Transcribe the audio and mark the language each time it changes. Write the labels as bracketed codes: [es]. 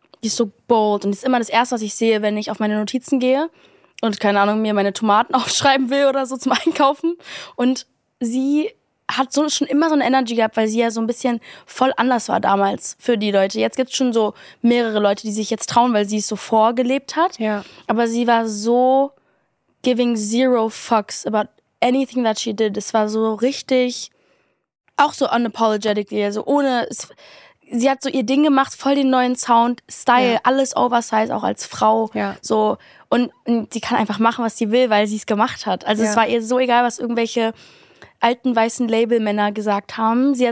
[de] Die ist so bold und ist immer das Erste, was ich sehe, wenn ich auf meine Notizen gehe. Und keine Ahnung, mir meine Tomaten aufschreiben will oder so zum Einkaufen. Und sie hat so schon immer so eine Energy gehabt, weil sie ja so ein bisschen voll anders war damals für die Leute. Jetzt gibt's schon so mehrere Leute, die sich jetzt trauen, weil sie es so vorgelebt hat. Ja. Aber sie war so [en] giving zero fucks about anything that she did. [de] Es war so richtig, auch so unapologetically, also ohne. Sie hat so ihr Ding gemacht, voll den neuen Sound, Style, ja, alles oversized, auch als Frau. Ja. So. Und sie kann einfach machen, was sie will, weil sie es gemacht hat. Also ja, es war ihr so egal, was irgendwelche alten weißen Labelmänner gesagt haben.